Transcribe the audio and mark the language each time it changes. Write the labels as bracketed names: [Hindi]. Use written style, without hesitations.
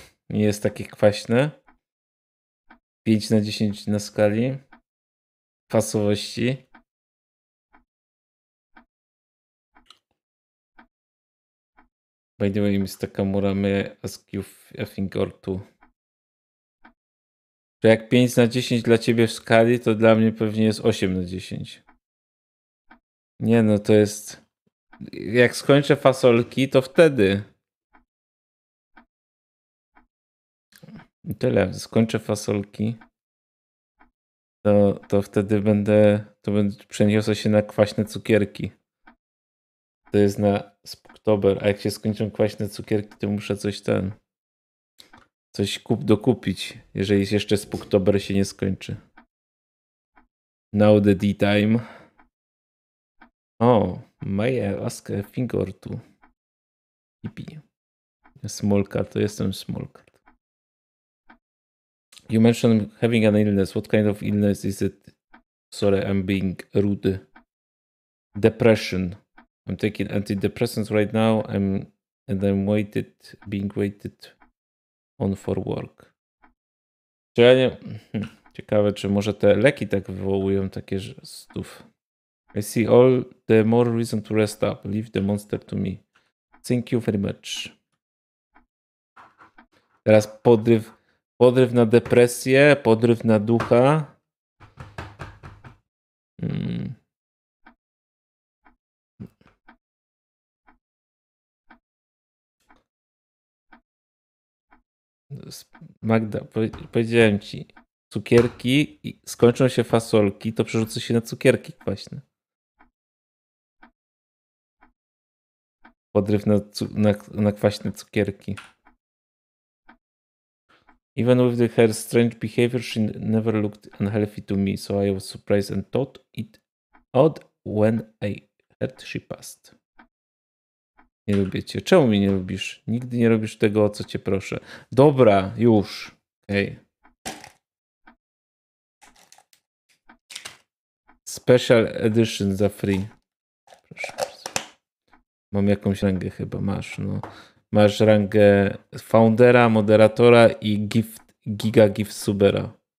[Polish] Nie jest takie kwaśne. 5 na 10 na skali pasowości. [English] By the way, Mr. Kamura, may I ask you a thing or two? [Polish] Czy jak 5 na 10 dla ciebie w skali, to dla mnie pewnie jest 8 na 10. Nie no, to jest... Jak skończę fasolki, to wtedy. I tyle, skończę fasolki. To wtedy będę, to będę przeniosę się na kwaśne cukierki. To jest na Spooktober, a jak się skończą kwaśne cukierki, to muszę coś ten, coś dokupić, jeżeli jeszcze Spooktober się nie skończy. [English] Now the D time. Oh, may I ask a thing or two? Hippie. Small card, [Polish] to jestem [English] small card. You mentioned having an illness. What kind of illness is it? Sorry, I'm being rude. Depression. I'm taking antidepressants right now. I'm being waited on for work. [Polish] Czy ja nie... Ciekawe, czy może te leki tak wywołują takie stów. [English] I see all the more reason to rest up. Leave the monster to me. Thank you very much. [Polish] Teraz podryw. Podryw na depresję, podryw na ducha. Magda, powiedziałem ci, cukierki i skończą się fasolki, to przerzucę się na cukierki kwaśne. Podryw na kwaśne cukierki. [English] Even with her strange behavior, she never looked unhealthy to me, so I was surprised and thought it odd when I heard she passed. [Polish] Nie lubię cię. Czemu mnie nie lubisz? Nigdy nie robisz tego, o co cię proszę. Dobra, już. Hej. Special edition za free. Proszę bardzo. Mam jakąś rangę chyba, masz, no. Masz rangę foundera, moderatora i gift, giga gift subera.